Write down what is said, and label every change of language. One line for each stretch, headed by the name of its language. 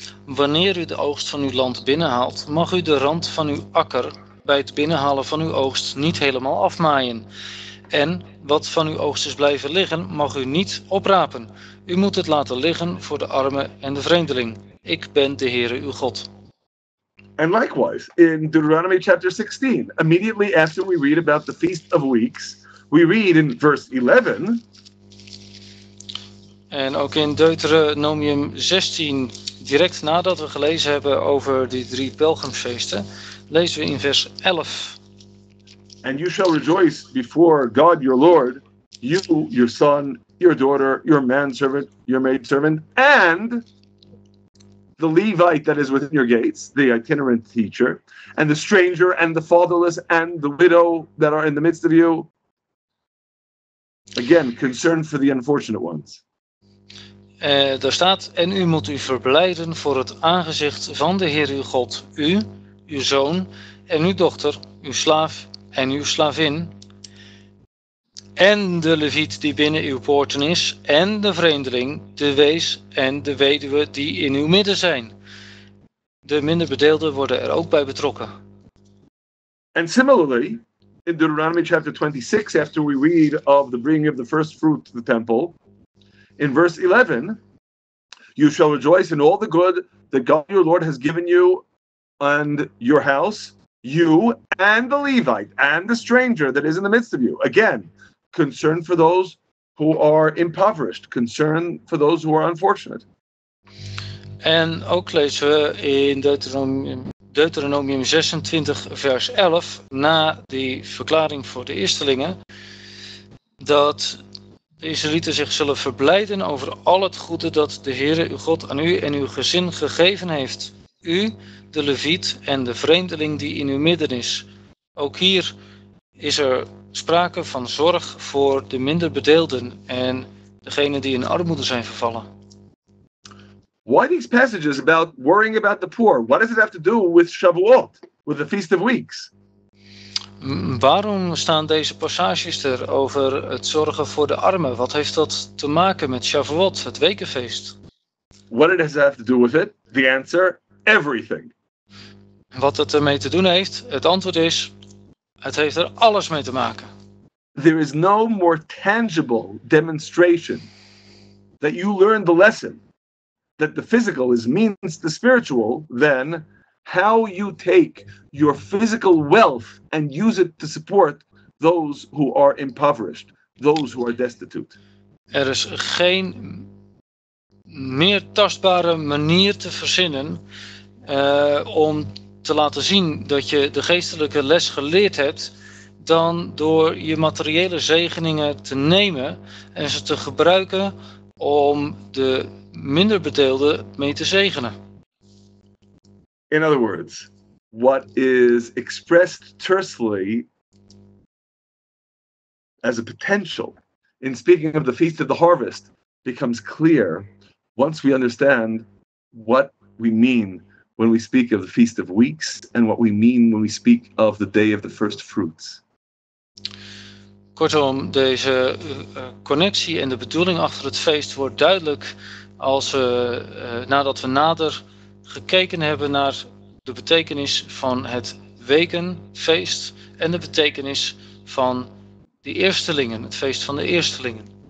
Dutch: Wanneer u de oogst van uw land binnenhaalt, mag u de rand van uw akker bij het binnenhalen van uw oogst niet helemaal afmaaien. En wat van uw oogst is blijven liggen, mag u niet oprapen. U moet het laten liggen voor de armen en de vreemdeling. Ik ben de Heere uw God.
English: And likewise, in Deuteronomy chapter 16, immediately after we read about the Feast of Weeks, we read in verse 11.
Dutch: En ook in Deuteronomium 16, direct nadat we gelezen hebben over die drie pelgrimsfeesten, lezen we in vers 11.
English: And you shall rejoice before God your Lord, you, your son, your daughter, your manservant, your maidservant, and the Levite that is within your gates, the itinerant teacher, and the stranger, and the fatherless, and the widow that are in the midst of you. Again, concern for the unfortunate ones.
Dutch: Daar staat, en u moet u verblijden voor het aangezicht van de Heer uw God, u, uw zoon, en uw dochter, uw slaaf, en uw slavin, en de leviet die binnen uw poorten is, en de vreemdeling, de wees en de weduwe die in uw midden zijn. De minder bedeelden worden er ook bij betrokken.
English: And similarly, in Deuteronomy chapter 26, after we read of the bringing of the first fruit to the temple, in verse 11, you shall rejoice in all the good that God your Lord has given you and your house, you and the Levite and the stranger that is in the midst of you. Again, concern for those who are impoverished, concern for those who are unfortunate.
Dutch: En ook lezen we in Deuteronomium 26 vers 11, na die verklaring voor de eerstelingen, dat de Israëlieten zich zullen verblijden over al het goede dat de Heere uw God aan u en uw gezin gegeven heeft. U, de leviet en de vreemdeling die in uw midden is. Ook hier is er sprake van zorg voor de minder bedeelden en degenen die in armoede zijn vervallen.
English: Why these passages about worrying about the poor? What does it have to do with Shavuot, with the Feast of Weeks?
Dutch: Waarom staan deze passages er over het zorgen voor de armen? Wat heeft dat te maken met Shavuot, het wekenfeest?
English: What does it have to do with it? The answer, everything.
Dutch: Wat het ermee te doen heeft, het antwoord is, het heeft er alles mee te maken.
English: There is no more tangible demonstration that you learn the lesson that the physical is means the spiritual than how you take your physical wealth and use it to support those who are impoverished, those who are destitute.
Dutch: Er is geen meer tastbare manier te verzinnen om te laten zien dat je de geestelijke les geleerd hebt dan door je materiële zegeningen te nemen en ze te gebruiken om de minder bedeelden mee te zegenen.
English: In other words, what is expressed tersely as a potential in speaking of the Feast of the Harvest becomes clear once we understand what we mean when we speak of the Feast of Weeks and what we mean when we speak of the Day of the First Fruits.
Dutch: Kortom, deze connectie en de bedoeling achter het feest wordt duidelijk als we nadat we nader gekeken hebben naar de betekenis van het wekenfeest en de betekenis van de eerstelingen, het feest van de eerstelingen.